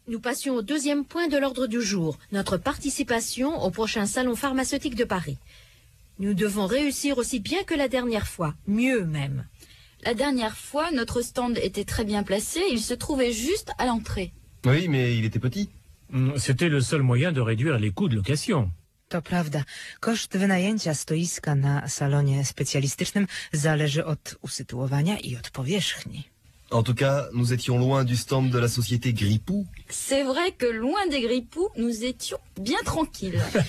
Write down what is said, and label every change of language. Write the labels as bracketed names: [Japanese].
[French] Nous passions au deuxième point de l'ordre du jour, notre participation au prochain salon pharmaceutique de Paris. Nous devons réussir aussi bien que la dernière fois, mieux même. La dernière fois, notre stand était très bien placé, il se trouvait juste à l'entrée. Oui, mais il était petit. C'était le seul moyen de réduire les coûts de location. [Polish] To prawda. Koszt wynajęcia stoiska na salonie specjalistycznym zależy od usytuowania i od powierzchni. [French] En tout cas, nous étions loin du stand de la société Gripou. C'est vrai que loin des Gripou, nous étions bien tranquilles.